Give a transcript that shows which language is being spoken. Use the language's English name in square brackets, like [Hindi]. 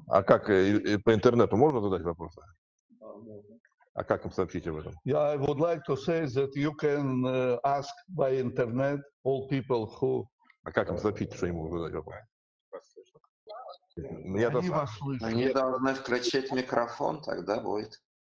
[Russian] А как по интернету можно задать вопросы? А как им сообщить об этом? [English] Yeah, I would like to say that you can ask by internet all people who. [Russian] А как им сообщить, что ему задать вопрос? Они должны включить микрофон, тогда будет.